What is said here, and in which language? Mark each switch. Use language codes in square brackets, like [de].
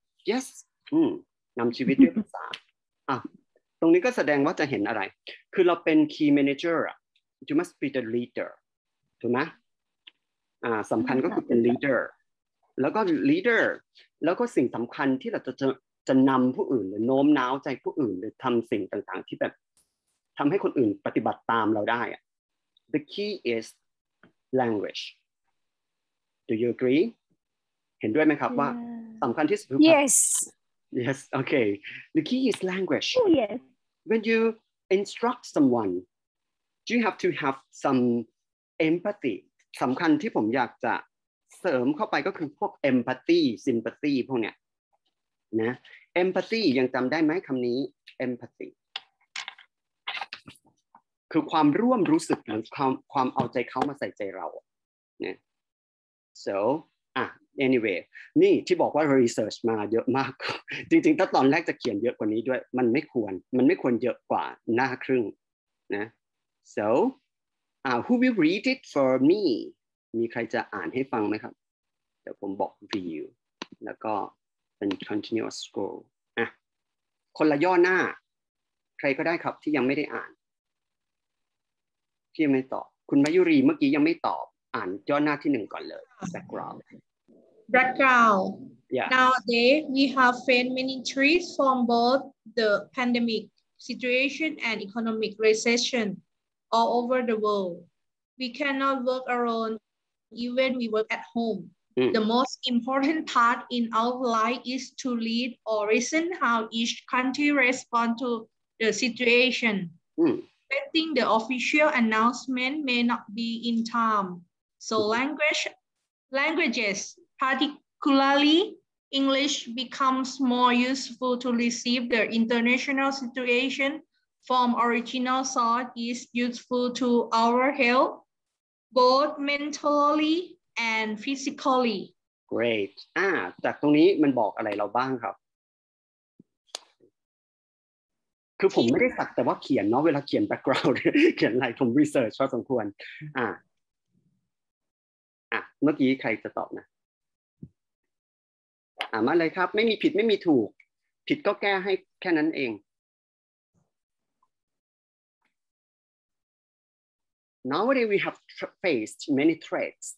[th] yes นำชีวิตด้วยภาษา ตรงนี้ก็แสดงว่าจะเห็นอะไรคือเราเป็น key manager [en] you must be the leader [th] ถูกไหมสำคัญก็คือเป็น leaderแล้วก็ leader แล้วก็สิ่งสำคัญที่เราจะนำผู้อื่นหรือโน้มน้าวใจผู้อื่นหรือทำสิ่งต่างๆที่แบบทำให้คนอื่นปฏิบัติตามเราได้อะ [en] the key is language Do you agree? [th] เห็นด้วยไหมครับว่าสำคัญที่สุด [en] Yes. Yes. Okay. The key is language. Oh, yes. When you instruct someone, do you have to have some empathy? [th] สำคัญที่ผมอยากจะเสริมเข้าไปก็คือพวก empathy, sympathy พวกเนี้ยนะ empathy ยังจำได้ไหมคำนี้ empathy คือความร่วมรู้สึกหรือความเอาใจเขามาใส่ใจเราเนี่ย [en] so anyway [th] นี่ที่บอกว่า research มาเยอะมากจริงๆถ้าตอนแรกจะเขียนเยอะกว่านี้ด้วยมันไม่ควรเยอะกว่าหน้าครึ่งนะ so [en] who will read it for me [th] มีใครจะอ่านให้ฟังไหมครับเดี๋ยวผมบอก view แล้วก็เป็น continuous scroll อ่ะคนละย่อหน้าใครก็ได้ครับที่ยังไม่ได้อ่านที่ยังไม่ตอบคุณมายุรีเมื่อกี้ยังไม่ตอบอ่านย่อหน้าที่หนึ่งก่อนเลย background [en] yeah. nowadays we have faced many threats from both the pandemic situation and economic recession all over the world we cannot work alone even we work at homeThe most important part in our life is to read or reason how each country responds to the situation. Expecting the official announcement may not be in time. So languages, particularly English, becomes more useful to receive the international situation from original source is useful to our health, both mentally,and physically [th] great จากตรงนี้มันบอกอะไรเราบ้างครับคือผมไม่ได้สักแต่ว่าเขียนเนาะเวลาเขียน background เขียนอะไรผม research พอสมควรเมื่อกี้ใครจะตอบนะมาเลยครับไม่มีผิดไม่มีถูกผิดก็แก้ให้แค่นั้นเอง [en] Nowadays we have faced many threats.